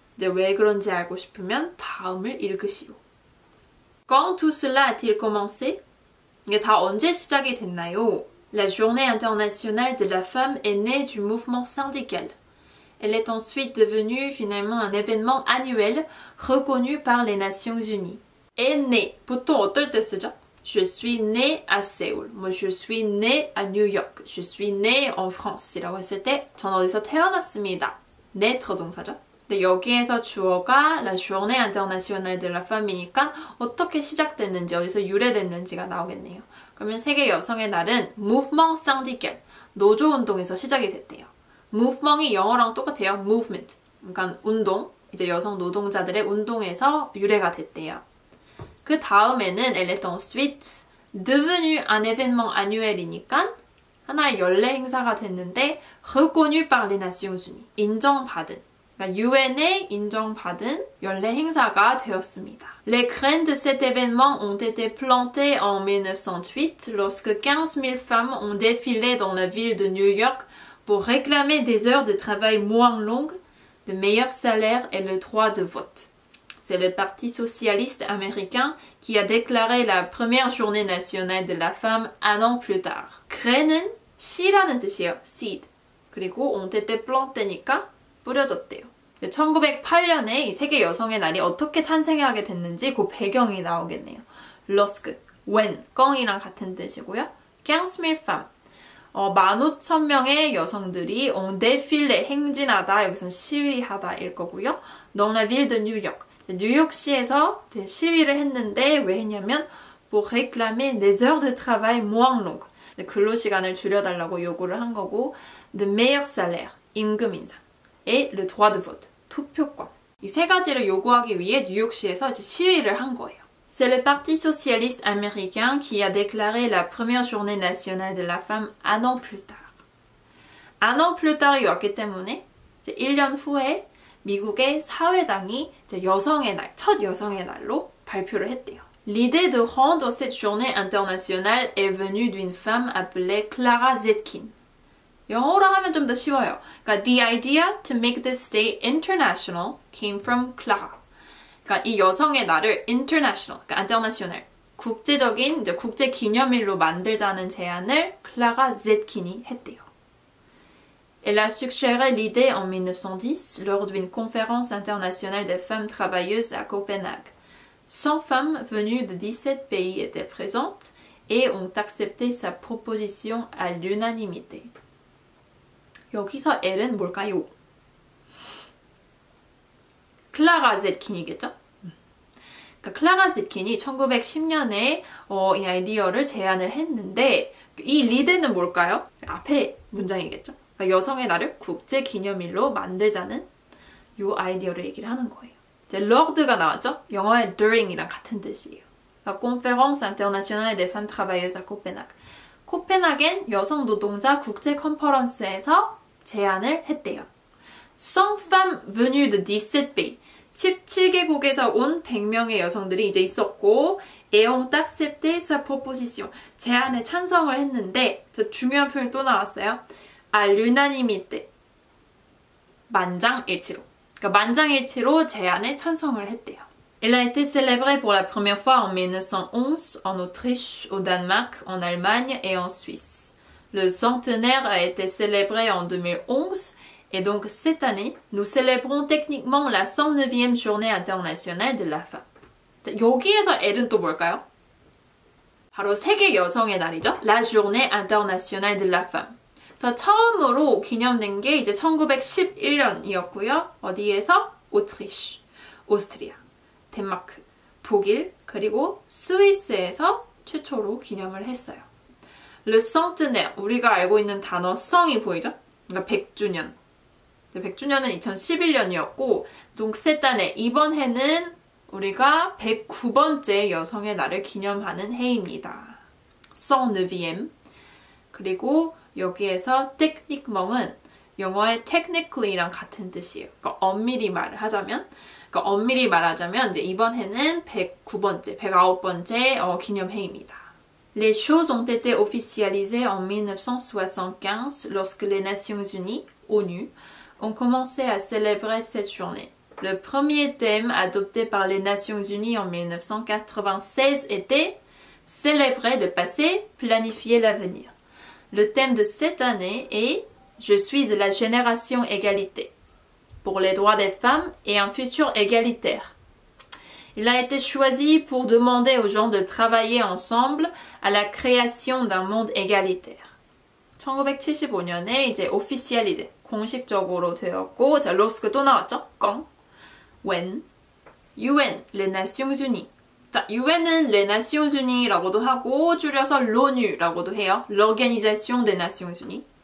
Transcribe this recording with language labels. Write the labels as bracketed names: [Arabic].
[Korean] 이제 왜 그런지 알고 싶으면 다음을 읽으시오. [French] Quand tout cela a-t-il commencé? [Korean] 이게 다 언제 시작이 됐나요? [French] La Journée internationale de la femme est née du mouvement syndical. Elle est ensuite devenue finalement un événement annuel reconnu par les Nations Unies. Est née. [Korean] 보통 어떨 때 쓰죠? [French] Je suis née à Séoul. Moi, je suis née à New York. Je suis née en France. [Korean] 이라고 했을 때 전 어디서 태어났습니다. Naître 동사죠? 근데 여기에서 주어가 [French] La Journée Internationale de la Femme [Korean] 이니까 어떻게 시작됐는지, 어디서 유래됐는지가 나오겠네요. 그러면 세계 여성의 날은 [French] Mouvement Syndical, [Korean] 노조 운동에서 시작이 됐대요. Mouvement이 영어랑 똑같아요. Movement, 그러니까 운동, 이제 여성 노동자들의 운동에서 유래가 됐대요. [French] 그 다음에는 Elle est ensuite devenu un événement annuel [Korean] 이니까 하나의 연례 행사가 됐는데 [French] Reconnu par les Nations Unies, [Korean] 인정받은. 그러니까 UN에 인정받은 연례 행사가 되었습니다. [French] Les graines de cet événement ont été plantées en 1908 lorsque 15,000 femmes ont défilé dans la ville de New York pour réclamer des heures de travail moins longues, de meilleurs salaires et le droit de vote. C'est le Parti socialiste américain qui a déclaré la première journée nationale de la femme un an plus tard. [Korean] Graines, 씨라는 뜻이에요, seed. 그리고 [French] ont été plantées [Korean] 니까 뿌려졌대요. 1908년에 이 세계 여성의 날이 어떻게 탄생하게 됐는지 그 배경이 나오겠네요. Lorsque, when, 껑이랑 같은 뜻이고요. [French] 15,000 femmes, 15,000명의 여성들이 on défilé, [Korean] 행진하다, 여기서는 시위하다 일 거고요. [French] Dans la ville de New York, [Korean] 뉴욕시에서 시위를 했는데 왜 했냐면 [French] pour réclamer des heures de travail moins longues. [Korean] 근로 시간을 줄여달라고 요구를 한 거고, [French] de meilleur salaire, [Korean] 임금 인상, [French] et le droit de vote, [Korean] 투표권. 이 세 가지를 요구하기 위해 뉴욕시에서 이제 시위를 한 거예요. [French] C'est le Parti Socialiste Américain qui a déclaré la première journée nationale de la femme un an plus tard. Un an plus tard [Korean] 이 왔기 때문에 이제 1년 후에 미국의 사회당이 이제 여성의 날, 첫 여성의 날로 발표를 했대요. [French] L'idée de rendre cette journée internationale est venue d'une femme appelée Clara Zetkin. [Korean] 영어로 하면 좀 더 쉬워요. 그러니까 [English] the idea to make this day international came from Clara. [Korean] 그러니까 이 여성의 날을 international, 그러니까 international, 국제적인 이제 국제 기념일로 만들자는 제안을 Clara Zetkin이 했대요. [French] Elle a suggéré l'idée en 1910 lors d'une conférence internationale des femmes travailleuses à Copenhague. 100 femmes venues de 17 pays étaient présentes et ont accepté sa proposition à l'unanimité. [Korean] 여기서 L은 뭘까요? Clara Zetkin이겠죠? 그러니까 Clara Zetkin이 1910년에 이 아이디어를 제안을 했는데 이 리드는 뭘까요? 앞에 문장이겠죠? 그러니까 여성의 날을 국제 기념일로 만들자는 이 아이디어를 얘기를 하는 거예요. 이제 lord가 나왔죠? 영어의 during이랑 같은 뜻이에요. [French] La conférence internationale des femmes travailleuses à Copenhague. [Korean] 코펜하겐 여성 노동자 국제 컨퍼런스에서 제안을 했대요. [French] Some femmes venues de 17 pays. [Korean] 17개국에서 온 100명의 여성들이 이제 있었고 [French] ont accepté sa proposition. [Korean] 제안에 찬성을 했는데 저 중요한 표현 또 나왔어요. [French] À l'unanimité. [Korean] 만장일치로. 그러니까 만장일치로 제안에 찬성을 했대요. [French] Elle a été célébrée pour la première fois en 1911 en Autriche, au Danemark, en Allemagne et en Suisse. Le centenaire a été célébré en 2011 et donc cette année, nous célébrons techniquement la 109e journée internationale de la femme. [Korean] 여기에서 L은 또 뭘까요? 바로 세계 여성의 날이죠. [French] La journée internationale de la femme. [Korean] 처음으로 기념된 게 이제 1911년이었고요. 어디에서? 오트리쉬, 오스트리아, 덴마크, 독일, 그리고 스위스에서 최초로 기념을 했어요. [French] Le centenaire, [Korean] 우리가 알고 있는 단어 성이 보이죠? 그러니까 100주년. 100주년은 2011년이었고 [French] donc cette année, [Korean] 이번 해는 우리가 109번째 여성의 날을 기념하는 해입니다. 109e. 그리고 여기에서 technique멍은 영어의 technically랑 같은 뜻이에요. 그러니까 엄밀히 말을 하자면 그러니까 엄밀히 말하자면 이제 이번 해는 109번째, 109번째 기념회입니다. [French] Les choses ont été officialisées en 1975 lorsque les Nations Unies, ONU, ont commencé à célébrer cette journée. Le premier thème adopté par les Nations Unies en 1996 était célébrer le passé, planifier l'avenir. Le thème de cette année est « Je suis de la génération égalité » pour les droits des femmes et un futur égalitaire. Il a été choisi pour demander aux gens de travailler ensemble à la création d'un monde égalitaire. [Korean] 1975년에 이제 officialisé, 공식적으로 되었고, 자, lorsque 또 나왔죠? Quand? When? UN, les Nations Unies. 자, UN은 Les Nations Unies라고도 하고 줄여서 LONU라고도 해요. [French] L'Organisation des Nations Unies.